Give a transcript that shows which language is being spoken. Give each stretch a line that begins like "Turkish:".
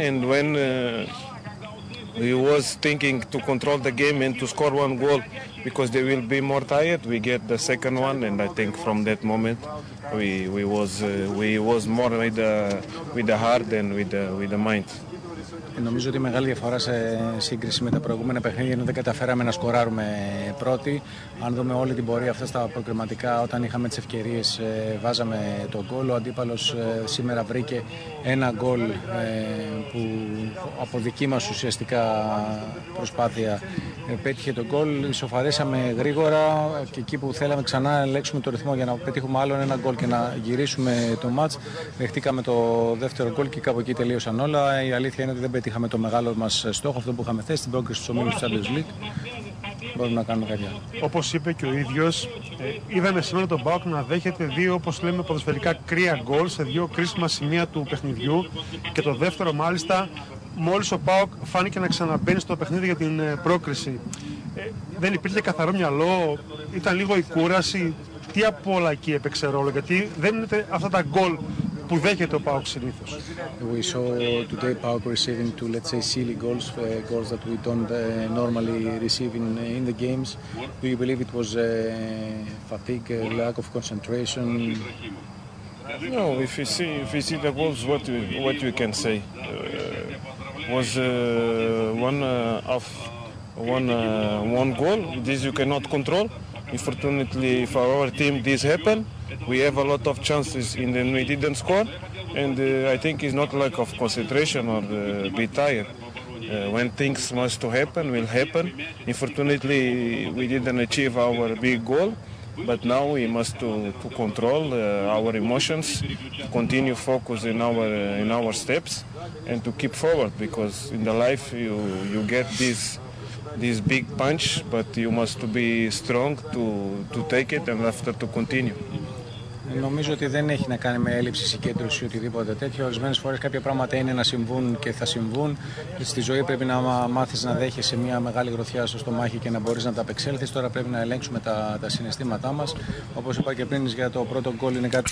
English: And when we was thinking to control the game and to score one goal because they will be more tired, we get the second one, and I think from that moment we was more with the heart than with the mind.
Greek: Νομίζω ότι η μεγάλη διαφορά σε σύγκριση με τα προηγούμενα παιχνίδια είναι ότι δεν καταφέραμε να σκοράρουμε πρώτοι. Αν δούμε όλη την πορεία αυτά στα προκριματικά, όταν είχαμε τις ευκαιρίες βάζαμε τον γκολ. Ο αντίπαλος σήμερα βρήκε ένα γκολ που από δική μας ουσιαστικά προσπάθεια πέτυχε τον γκολ. Ισοφαρίσαμε γρήγορα και εκεί που θέλαμε ξανά να ελέγξουμε το ρυθμό για να πετύχουμε άλλον ένα γκολ και να γυρίσουμε το μάτς, δεχτήκαμε το δεύτερο γκολ και κάπου εκεί τελείωσαν όλα. Η αλήθεια είναι ότι δεν πετύχαμε το μεγάλο μας στόχο, αυτό που είχαμε θέσει, την πρόκριση στους ομίλους της Champions League. Μπορούμε να κάνουμε κάτι άλλο. Όπως είπε και ο ίδιος, είδαμε σήμερα τον ΠΑΟΚ να δέχεται δύο, όπως λέμε, ποδοσφαιρικά κρύα γκολ σε δύο κρίσιμα σημεία του παιχνιδιού. Και το δεύτερο, μάλιστα, μόλις ο ΠΑΟΚ φάνηκε να ξαναμπαίνει στο παιχνίδι για την πρόκριση. Δεν υπήρχε καθαρό μυαλό, ήταν λίγο η κούραση. Τι από όλα εκεί έπαιξε ρόλο, γιατί δεν είναι αυτά τα γκολ που δέχεται ο ΠΑΟΚ συνήθως.
English: We saw today ΠΑΟΚ receiving two, let's say, silly goals, goals that we don't normally receive in the games. Do you believe it was fatigue, lack of concentration? No, if you see the goals, what you can say? Was one goal. This you cannot control. Unfortunately, for our team, this happened. We have a lot of chances, and then we didn't score. And I think it's not lack of concentration or be tired. When things must to happen, will happen. Unfortunately, we didn't achieve our big goal. But now we must to control our emotions, continue focus in our steps, and to keep forward. Because in the life you get this big punch, but you must to be strong to take it and after to continue.
Greek: Νομίζω ότι δεν έχει να κάνει με έλλειψη συγκέντρωση ή οτιδήποτε τέτοιο. Ορισμένες φορές κάποια πράγματα είναι να συμβούν και θα συμβούν. Στη ζωή πρέπει να μάθεις να δέχεσαι μια μεγάλη γροθιά στο στομάχι και να μπορείς να τα απεξέλθεις. Τώρα πρέπει να ελέγξουμε τα συναισθήματά μας. Όπως είπα και πριν, για το πρώτο γκολ είναι κάτι.